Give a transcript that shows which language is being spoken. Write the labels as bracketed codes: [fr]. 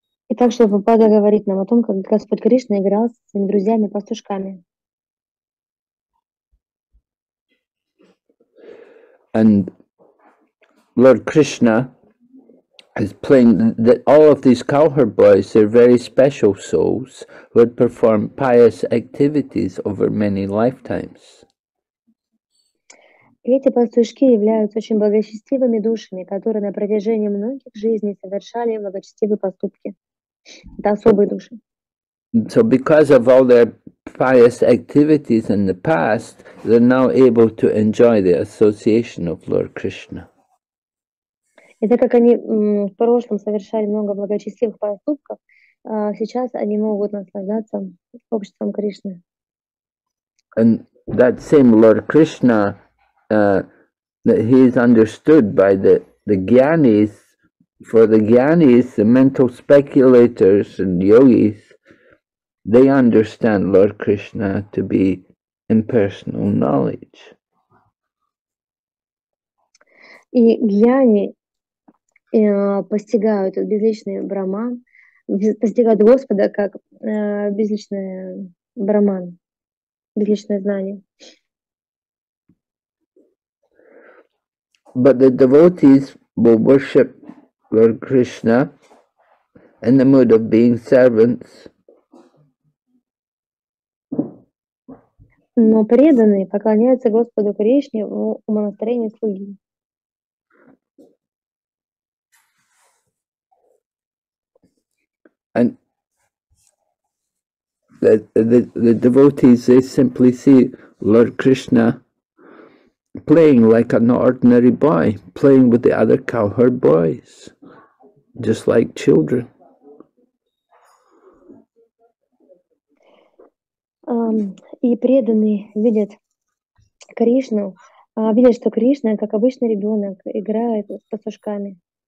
[ru] Итак, что Прабхупада говорит нам о том, как Господь Кришна играл с своими друзьями-пастушками. [en] And Lord Krishna is playing that all of these cowherd boys are very special souls who had performed pious activities over many lifetimes. [ru] Эти пастушки являются очень благочестивыми душами, которые на протяжении многих жизней совершали благочестивые поступки. Это особые души. [en] So because of all their pious activities in the past, they're now able to enjoy the association of Lord Krishna. [ru] И так как они в прошлом совершали много благочестивых поступков, сейчас они могут наслаждаться обществом Кришны. [en] And that same Lord Krishna, he is understood by the gyanis. For the gyanis, the mental speculators and yogis, they understand Lord Krishna to be impersonal knowledge. [ru] И гьяни постигают безличный брахман, постигают Господа как безличный брахман, безличное знание. [en] But the devotees will worship Lord Krishna in the mood of being servants. [ru] Но преданные поклоняются Господу Кришне в умонастроении слуги. [en] And the devotees, they simply see Lord Krishna playing like an ordinary boy, playing with the other cowherd boys, just like children. [ru] И преданные видят Кришну, видят, что Кришна, как обычный ребенок, играет с пастушками.